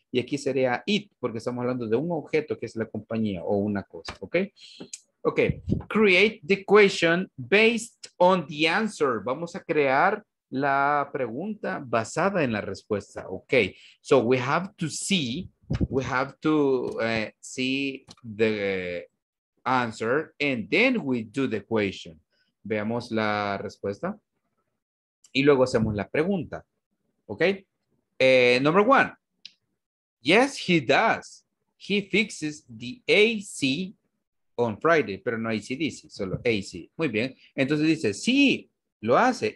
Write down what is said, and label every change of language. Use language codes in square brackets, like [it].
[es] Y aquí sería it, porque estamos hablando de un objeto que es la compañía o una cosa. Ok. Ok. [en] Create the question based on the answer. [es] Vamos a crear la pregunta basada en la respuesta. [en] Ok. So we have to see. We have to see the answer and then we do the question. [es] Veamos la respuesta y luego hacemos la pregunta. [en] Ok. Number one. Yes, he does. He fixes the AC on Friday. [es] Pero no AC/DC, solo AC. Muy bien. Entonces dice, sí, lo hace.